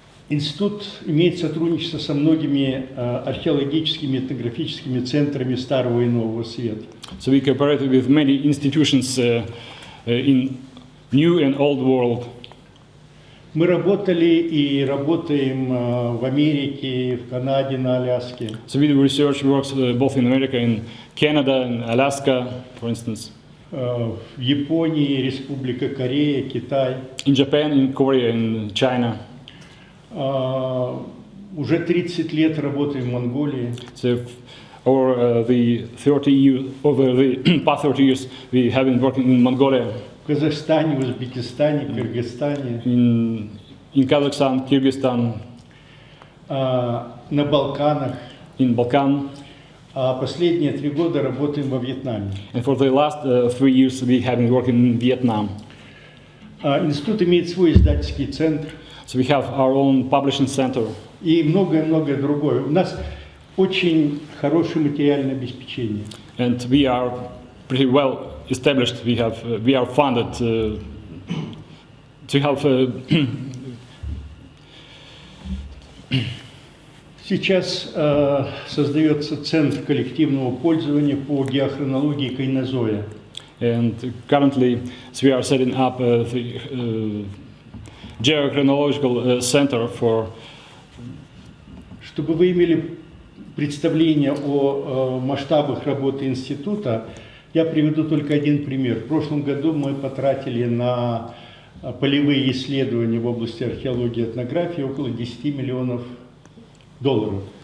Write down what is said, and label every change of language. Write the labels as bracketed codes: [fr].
[ru] Институт имеет сотрудничество со многими археологическими и этнографическими центрами Старого и Нового Света. [en] So we cooperate with many institutions in New and Old World. [ru] Мы работали и работаем в Америке, в Канаде, на Аляске. [en] So we do research works both in America, in Canada, in Alaska, for instance. [ru] В Японии, Республика Корея, Китай. [en] In Japan, in Korea, in China. [ru] Уже 30 лет работаем в Монголии. [en] So past 30 years we have been working in Mongolia. [ru] В Казахстане, в Узбекистане, в Кыргызстане. [en] In Kazakhstan, Kyrgyzstan. [ru] На Балканах. [en] In Balkan. [ru] А последние 3 года работаем во Вьетнаме. [en] And for the last 3 years we have been working in Vietnam. [ru] Институт имеет свой издательский центр. [en] So we have our own publishing center. [ru] И многое-многое другое. У нас очень хорошее материальное обеспечение. [en] And we are pretty well established, we are funded to have [ru] Сейчас создается центр коллективного пользования по геохронологии Кайнозоя. [en] And currently so we are setting up the geochronological center for [ru] чтобы вы имели представление о масштабах работы института. Я приведу только один пример. В прошлом году мы потратили на полевые исследования в области археологии и этнографии около 10 миллионов долларов.